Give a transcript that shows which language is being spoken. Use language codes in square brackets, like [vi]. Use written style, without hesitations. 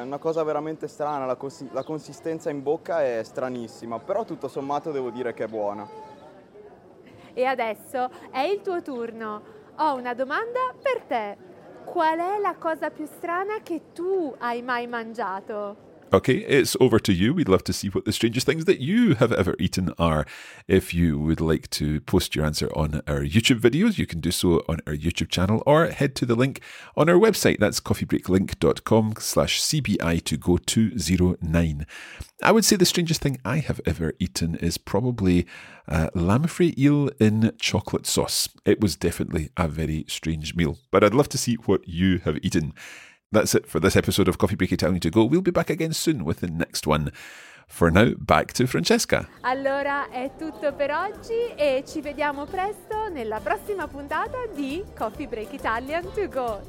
[it] È una cosa veramente strana, la consistenza in bocca è stranissima, però tutto sommato devo dire che è buona. E adesso è il tuo turno. Ho una domanda per te. Qual è la cosa più strana che tu hai mai mangiato? [en] Okay, it's over to you. We'd love to see what the strangest things that you have ever eaten are. If you would like to post your answer on our YouTube videos, you can do so on our YouTube channel or head to the link on our website. That's coffeebreaklink.com/CBI2Go209. I would say the strangest thing I have ever eaten is probably lamprey eel in chocolate sauce. It was definitely a very strange meal, but I'd love to see what you have eaten. That's it for this episode of Coffee Break Italian to Go. We'll be back again soon with the next one. For now, back to Francesca. [it] Allora, è tutto per oggi e ci vediamo presto nella prossima puntata di Coffee Break Italian to Go.